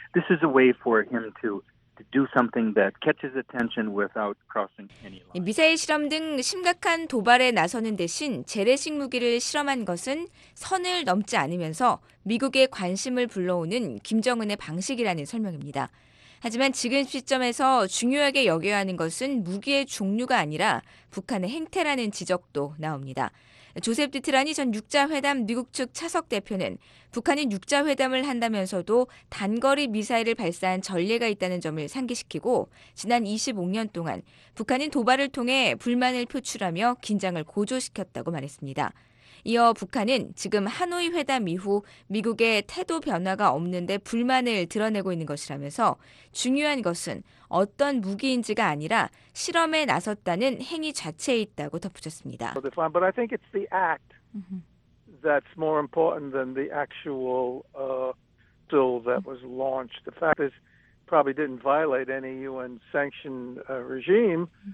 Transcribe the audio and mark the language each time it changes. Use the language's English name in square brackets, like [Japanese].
[English] This is a way for him to do something that catches attention without crossing any line. [Korean] 미사일 실험 등 심각한 도발에 나서는 대신 재래식 무기를 실험한 것은 선을 넘지 않으면서 미국의 관심을 불러오는 김정은의 방식이라는 설명입니다. 하지만 지금 시점에서 중요하게 여겨야 하는 것은 무기의 종류가 아니라 북한의 행태라는 지적도 나옵니다. 조셉 디트라니 전 6자회담 미국 측 차석 대표는 북한이 6자회담을 한다면서도 단거리 미사일을 발사한 전례가 있다는 점을 상기시키고 지난 25년 동안 북한은 도발을 통해 불만을 표출하며 긴장을 고조시켰다고 말했습니다. 이어 북한은 지금 하노이 회담 이후 미국의 태도 변화가 없는데 불만을 드러내고 있는 것이라면서 중요한 것은 어떤 무기인지가 아니라 실험에 나섰다는 행위 자체에 있다고 덧붙였습니다. [English] But I think it's the act that's more important than the actual missile that was launched. The fact is probably didn't violate any UN sanction regime.